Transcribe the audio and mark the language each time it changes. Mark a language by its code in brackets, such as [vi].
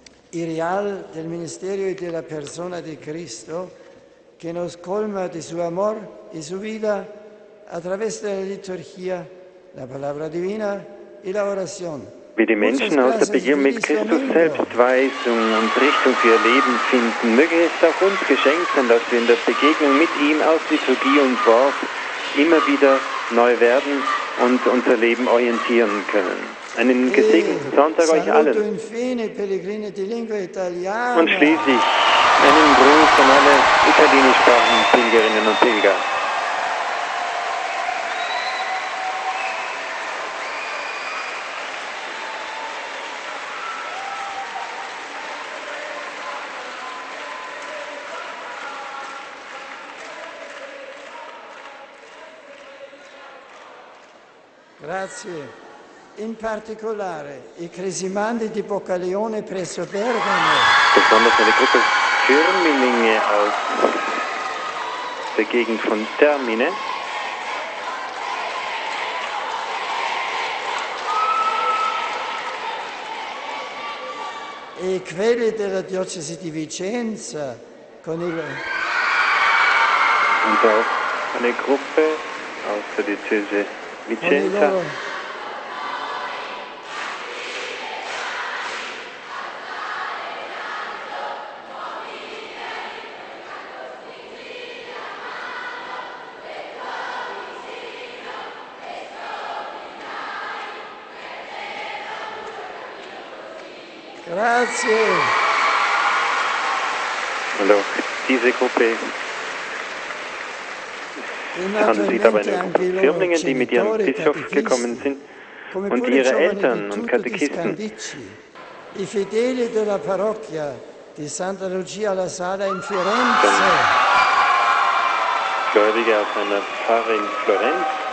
[es] Ideal del ministerio y de la persona de Cristo, que nos colma de su amor y su vida a través de la liturgia, la palabra divina y la oración. [de] Wie die Menschen aus der Begegnung mit Christus selbst Weisung und Richtung für ihr Leben finden, möge es auch uns geschenkt sein, dass wir in der Begegnung mit ihm aus Liturgie und Wort immer wieder neu werden und unser Leben orientieren können. Einen gesegneten Sonntag euch allen. Und schließlich einen Gruß an alle italienischsprachigen Pilgerinnen und Pilger. [it] Grazie. In particolare, i cresimandi di Boccaleone presso Bergamo. [de] Besonders eine Gruppe Firmlinge aus der Gegend von Termine. [it] E quelli della diocesi di Vicenza con il. [de] Und auch eine Gruppe aus der Diözese Vicenza. [it] Grazie. [de] Allora, diese Gruppe handelt sich dabei um Firmlinge, die mit ihrem Bischof gekommen sind und ihre Eltern und Katechisten. [it] I fedeli della parrocchia di Santa Lucia alla Sala in Firenze. [de] Gläubige aus einer Pfarre in Florenz.